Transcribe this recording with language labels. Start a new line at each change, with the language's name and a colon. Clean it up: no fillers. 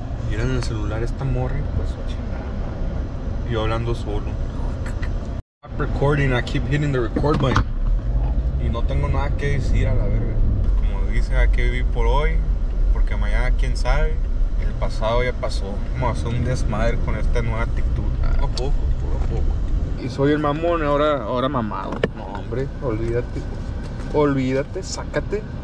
Spanish: Miren en el celular esta morri, pues chingada. Yo hablando solo.
English: Stop recording, I keep hitting the record button.
Spanish: Y no tengo nada que decir a la verga. Como dice, hay que vivir por hoy, porque mañana quién sabe. El pasado ya pasó. Vamos a hacer un desmadre con esta nueva actitud. Poco a poco. Y soy el mamón, ahora mamado. No, hombre. hombre, olvídate. Olvídate, sácate.